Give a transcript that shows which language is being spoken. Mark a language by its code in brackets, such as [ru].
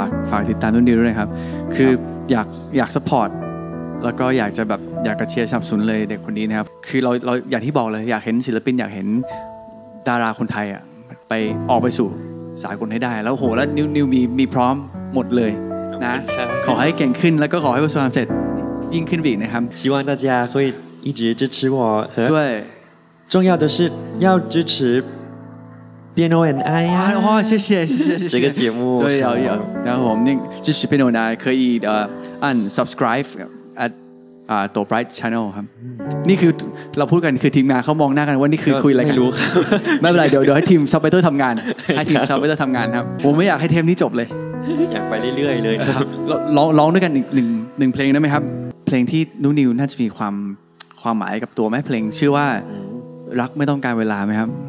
[th] ฝากติดตามนุ่นดีด้วยครับคืออยากสปอร์ตแล้วก็อยากจะแบบอยากจะเชียร์สนับสนุนเลยเด็กคนนี้นะครับคือเราอย่างที่บอกเลยอยากเห็นศิลปินอยากเห็นดาราคนไทยอ่ะไปออกไปสู่สากลให้ได้แล้วโหแล้วนิวมีพร้อมหมดเลยนะขอให้เก่งขึ้นแล้วก็ขอให้ประสบความสำเร็จยิ่งขึ้นอีกนะครับ [zh] 希望大家会一直支持我和对重要的是要支持Piano and I 啊，哇，谢谢谢谢这个节目，对，有，然后我们那支持 Piano and I 可以按 [en] subscribe at [th] ตัว Bright Channel ครับนี่คือเราพูดกันคือทีมงานเขามองหน้ากันว่านี่คือคุยอะไรกัน ไม่รู้ครับ ไม่เป็นไรเดี๋ยวให้ทีมซับไตเติ้ลทำงานให้ทีมซับไตเติ้ลทำงานครับผมไม่อยากให้เทมนี้จบเลย อยากไปเรื่อยๆเลยครับ ร้องด้วยกันอีก1เพลงได้มั้ยครับเพลงที่นูนิวน่าจะมีความหมายกับตัวมั้ยเพลงชื่อว่ารักไม่ต้องการเวลามั้ยครับ